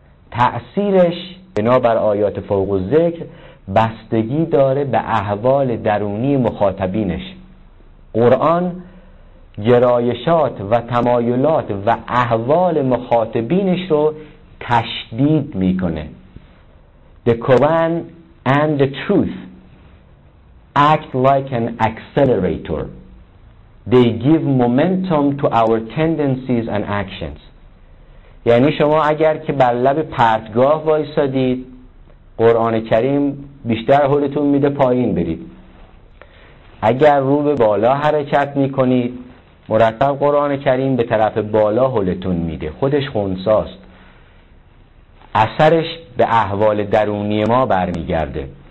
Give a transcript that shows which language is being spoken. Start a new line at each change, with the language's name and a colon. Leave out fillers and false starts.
Persian: تأثیرش بنابر آیات فوق الذکر بستگی داره به احوال درونی مخاطبینش. قرآن گرایشات و تمایلات و احوال مخاطبینش رو تشدید میکنه.
English: The Quran and the truth act like an accelerator. They give momentum to our tendencies and actions.
Persian: یعنی شما اگر که بر لب پرتگاه وایسادید، قرآن کریم بیشتر حالتون میده پایین برید. اگر رو به بالا حرکت میکنید، مرتب قرآن کریم به طرف بالا حلتون میده، خودش خونساست، اثرش به احوال درونی ما برمیگرده.